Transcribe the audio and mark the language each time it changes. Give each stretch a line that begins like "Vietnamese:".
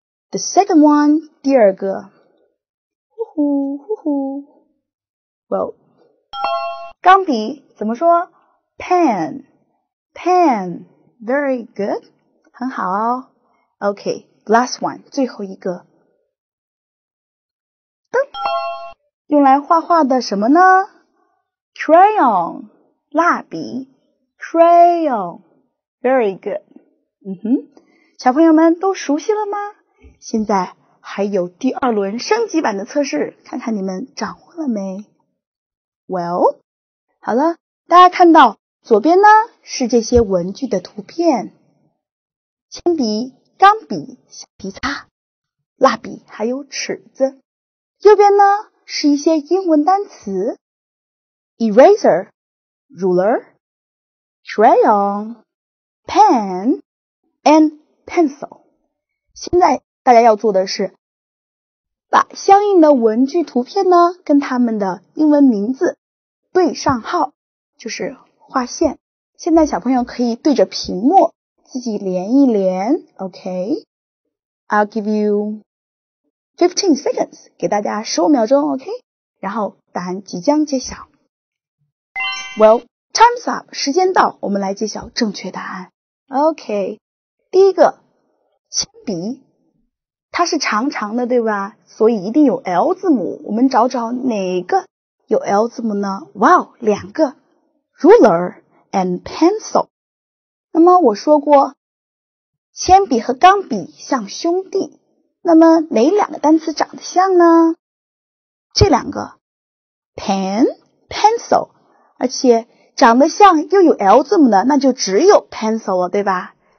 English: The second one,
Chinese: 第二个。呼呼呼 ,well, 钢笔怎么说 ?pen, pen,
English: very good,
Chinese: 很好哦。
English: Okay, last one,
Chinese: 最后一个。噔，用来画画的什么呢 ？Crayon, 蜡笔。
English: Crayon, very good.
Chinese: 嗯哼，小朋友们都熟悉了吗？现在还有第二轮升级版的测试，看看你们掌握了没 ？Well, 好了，大家看到左边呢是这些文具的图片，铅笔、钢笔、橡皮擦、蜡笔，还有尺子。右边呢是一些英文单词 ，eraser, ruler, crayon, pen, and pencil。现在大家要做的是，把相应的文具图片呢跟它们的英文名字对上号，就是画线。现在小朋友可以对着屏幕自己连一连 ，OK。
English: I'll give you 15 seconds，
Chinese: 给大家15秒钟
English: ，OK。
Chinese: 然后答案即将揭晓。
English: Well, time's up，
Chinese: 时间到，我们来揭晓正确答案。 OK， 第一个，铅笔，它是长长的，对吧？所以一定有 L 字母。我们找找哪个有 L 字母呢？哇哦，两个 ，ruler and pencil。那么我说过，铅笔和钢笔像兄弟，那么哪两个单词长得像呢？这两个 pen, pencil, 而且长得像又有 L 字母的，那就只有 pencil 了，对吧？